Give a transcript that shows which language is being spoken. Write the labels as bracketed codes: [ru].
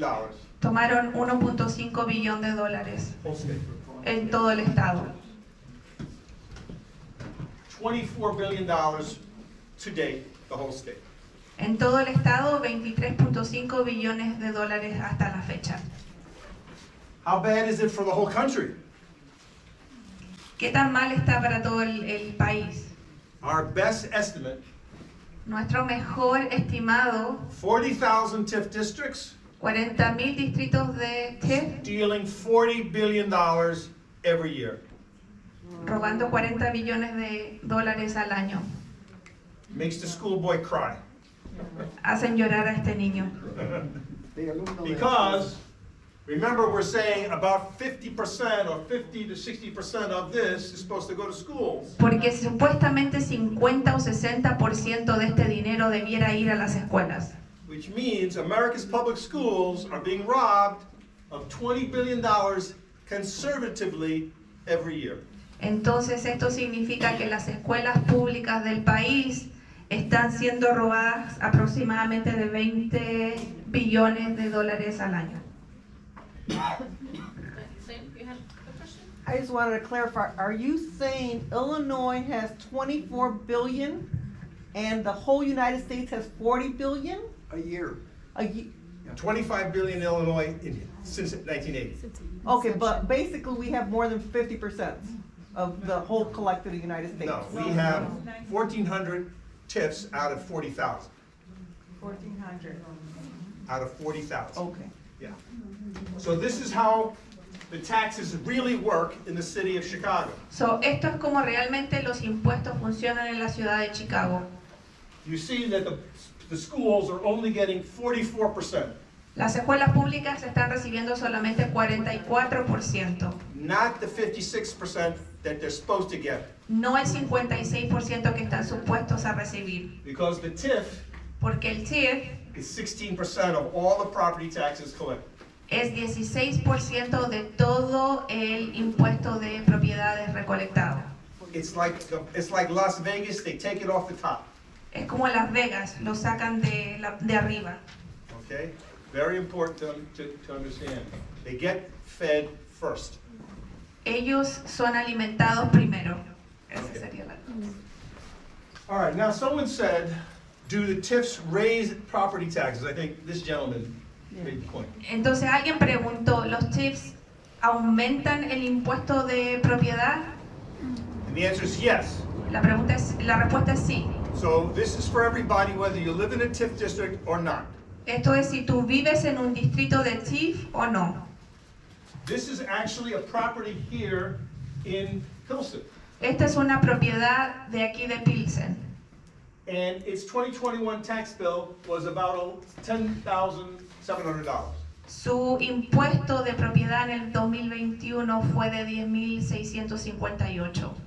[es] Tomaron 1.5 billón de dólares en todo el estado. [en] $24 billion to date, the whole state. [es] En todo el estado, 23.5 billones de dólares hasta la fecha. [en] How bad is it for the whole country? [es] ¿Qué tan mal está para todo el país? [en] Our best estimate. [es] Nuestro mejor estimado. [en] 40,000 TIF districts. [es] 40,000 distritos de TIF. [en] Dealing $40 billion every year. [es] Robando 40 billones de dólares al año. [en] Makes the schoolboy cry. [es] Hacen llorar a este niño. [en] Because, remember, we're saying about 50% or 50 to 60% of this is supposed to go to schools. [es] Porque supuestamente 50 o 60% de este dinero debiera ir a las escuelas. [en] Which means America's public schools are being robbed of $20 billion conservatively every year. [es] Entonces esto significa que las escuelas públicas del país están siendo robadas aproximadamente de 20 billones de dólares al año. [en] I just wanted to clarify, are you saying Illinois has $24 billion and the whole United States has $40 billion? A year. $25 billion Illinois in, since 1980. Okay, but basically we have more than 50% of the whole collective of the United States. No, we have 1,400 TIFs out of 40,000. 1,400. Out of 40,000. Okay. Yeah. So this is how the taxes really work in the city of Chicago. [es] So esto es como realmente los impuestos funcionan en la ciudad de Chicago. [en] You see that the schools are only getting 44%. [es] Las escuelas públicas están recibiendo solamente 44%. [en] Not the 56% that they're supposed to get. [es] No el 56% que están supuestos a recibir. [en] Because the TIF, [es] porque el TIF [en] is 16% of all the property taxes collected. [es] Es 16% de todo el impuesto de propiedades recolectado. [en] It's like Las Vegas, they take it off the top. [es] Es como Las Vegas, lo sacan de arriba. [en] Okay, very important to understand. They get fed first. [es] Ellos son alimentados primero. [en] Okay. All right, now someone said, do the TIFs raise property taxes? I think this gentleman made the point. [es] Entonces alguien preguntó, ¿los TIFs aumentan el impuesto de propiedad? [en] And the answer is yes. [es] La respuesta es sí. [en] So this is for everybody, whether you live in a TIF district or not. [es] Esto es si tú vives en un distrito de TIF o no. [en] This is actually a property here in Pilsen. [es] Esta es una propiedad de aquí de Pilsen. [en] And its 2021 tax bill was about $10,700. [es] Su impuesto de propiedad en el 2021 fue de $10,658.